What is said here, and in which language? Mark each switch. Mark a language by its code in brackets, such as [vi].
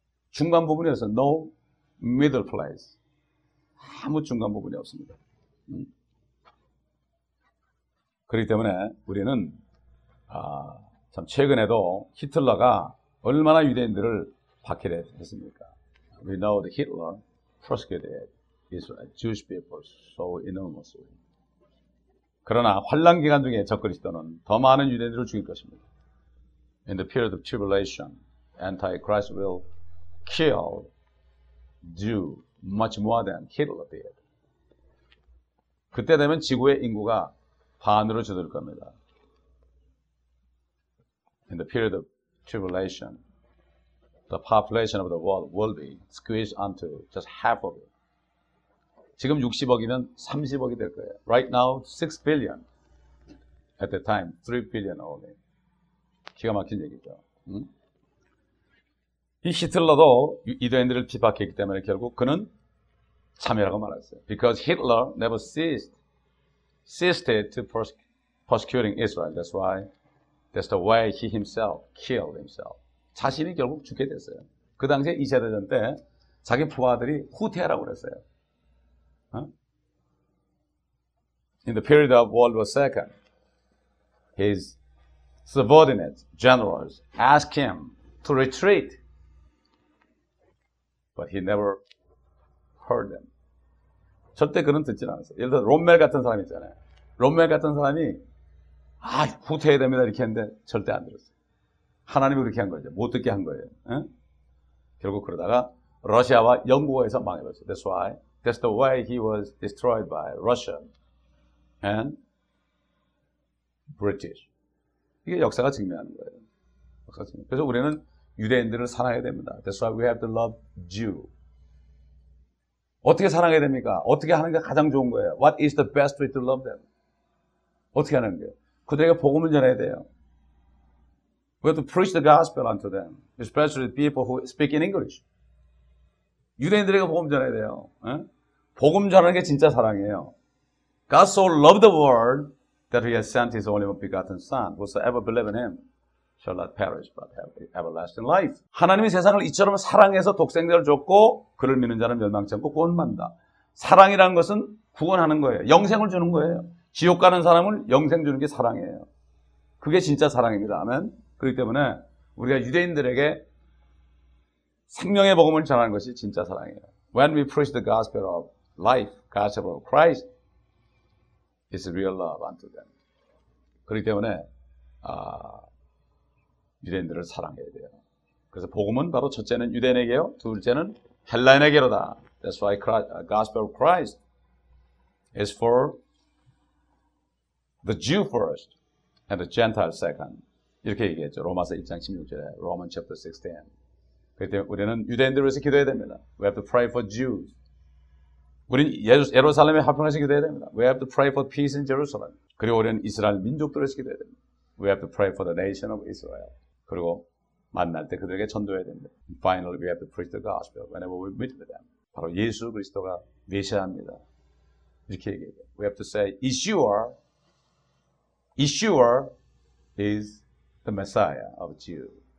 [ko] 중간 부분이어서 [en] no middle place. [ko] 아무 중간 부분이 없습니다. 그렇기 때문에 우리는 참 최근에도 히틀러가 얼마나 유대인들을 박해를 했습니까? [en] We know that Hitler persecuted Israel, Jewish people so enormously. [ko] 그러나 환난 기간 중에 적그리스도는 더 많은 유대인들을 죽일 것입니다. [en] In the period of tribulation, Antichrist will kill Jews much more than Hitler did. [ko] 그때 되면 지구의 인구가 반으로 줄어들 겁니다. [en] In the period of tribulation, the population of the world will be squeezed onto just half of it. [ko] 지금 60억이면 30억이 될 거예요. [en] Right now, 6 billion. At the time, 3 billion only. [ko] 기가 막힌 얘기죠. 응? 이 히틀러도 유대인들을 핍박했기 때문에 결국 그는 참여라고 말했어요. [en] Because Hitler never ceased to persecuting Israel. That's why, that's the way he himself killed himself. [ko] 자신이 결국 죽게 됐어요. 그 당시에 2차 대전 때 자기 부하들이 후퇴하라고 그랬어요. 어? [en] In the period of World War II, his subordinates, generals, asked him to retreat. But he never heard them. [ko] 절대 그는 듣진 않았어요. 예를 들어 롬멜 같은 사람 있잖아요. 롬멜 같은 사람이 아 후퇴해야 됩니다 이렇게 했는데 절대 안 들었어요. 하나님이 그렇게 한 거죠. 못 듣게 한 거예요. 응? 결국 그러다가 러시아와 영국에서 망해버렸어요. [en] That's why. That's the way he was destroyed by Russia and British. [ko] 이게 역사가 증명하는 거예요. 역사 증명. 그래서 우리는 유대인들을 사랑해야 됩니다. [en] That's why we have to love Jew. [ko] 어떻게 사랑해야 됩니까? 어떻게 하는 게 가장 좋은 거예요? [en] What is the best way to love them? [ko] 어떻게 하는 게? 그들에게 복음을 전해야 돼요. [en] We have to preach the gospel unto them, especially the people who speak in English. [ko] 유대인들에게 복음 전해야 돼요. 에? 복음 전하는 게 진짜 사랑이에요. [en] God so loved the world that he has sent his only begotten son. Whosoever believes in him shall not perish but have everlasting life. [ko] 하나님이 세상을 이처럼 사랑해서 독생자를 줬고 그를 믿는 자는 멸망치 않고 구원 받는다. 사랑이라는 것은 구원하는 거예요. 영생을 주는 거예요. 지옥 가는 사람을 영생 주는 게 사랑이에요. 그게 진짜 사랑입니다. 아멘. 그렇기 때문에 우리가 유대인들에게 생명의 복음을 전하는 것이 진짜 사랑이에요. [en] When we preach the gospel of life, gospel of Christ, it's real love unto them. [ko] 그렇기 때문에 유대인들을 사랑해야 돼요. 그래서 복음은 바로 첫째는 유대인에게요. 둘째는 헬라인에게로다. [en] That's why gospel of Christ is for the Jew first and the Gentile second. [ko] 이렇게 얘기했죠. 로마서 1장 16절에 [en] Romans chapter 16. [ko] 그때 우리는 유대인들을 위해서 기도해야 됩니다. [en] We have to pray for Jews. [ko] 우리는 예루살렘에 합평해서 기도해야 됩니다. [en] We have to pray for peace in Jerusalem. [ko] 그리고 우리는 이스라엘 민족들을 위해서 기도해야 됩니다. [en] We have to pray for the nation of Israel. [ko] 그리고 만날 때 그들에게 전도해야 됩니다. [en] And finally, we have to preach the gospel whenever we meet with them. [ko] 바로 예수 그리스도가 메시아입니다. 이렇게 얘기해요. [en] We have to say, Yeshua is the Messiah of Jews.